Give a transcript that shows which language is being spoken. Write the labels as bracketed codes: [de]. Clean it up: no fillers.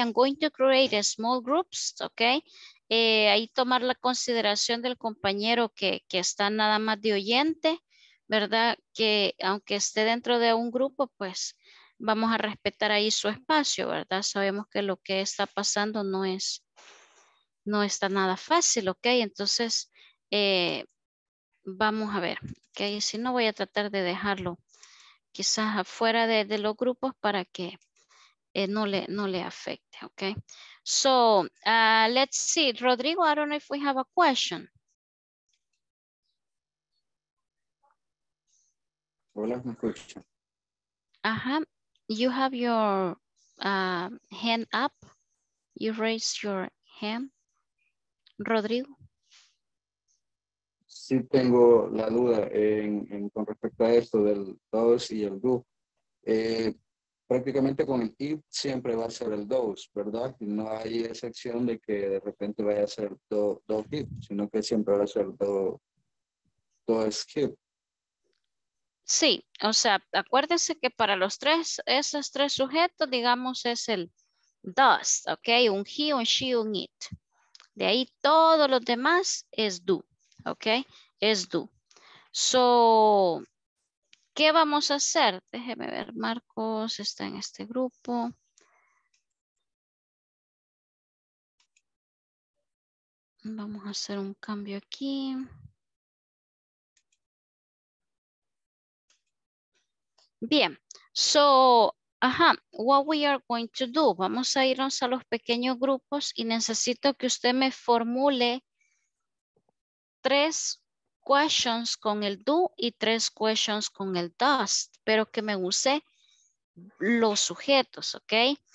[en] I'm going to create a small groups, okay? [es] Ahí tomar la consideración del compañero que está nada más de oyente, ¿verdad? Que aunque esté dentro de un grupo, pues vamos a respetar ahí su espacio, ¿verdad? Sabemos que lo que está pasando no está nada fácil, ¿ok? Entonces, vamos a ver, ¿ok? Si no, voy a tratar de dejarlo quizás afuera de los grupos para que no le afecte, ¿ok? [en] So, let's see, Rodrigo, I don't know if we have a question. [es] Hola, me escucha. [en] Ajá, you have your hand up, you raised your hand, Rodrigo. [es] Sí, tengo la duda en con respecto a esto del dos y el do. Prácticamente con el if siempre va a ser el dos, ¿verdad? No hay excepción de que de repente vaya a ser dos if, sino que siempre va a ser dos if. Sí, o sea, acuérdense que para los tres, esos tres sujetos, digamos, es el does, ¿ok? Un he, un she, un it. De ahí todos los demás es do, ¿ok? Es do. So, ¿Qué vamos a hacer? Déjeme ver, Marcos está en este grupo. Vamos a hacer un cambio aquí. [en] Bien, so, what we are going to do? [es] Vamos a irnos a los pequeños grupos y necesito que usted me formule tres questions con el do y tres questions con el does, pero que me use los sujetos, ¿ok?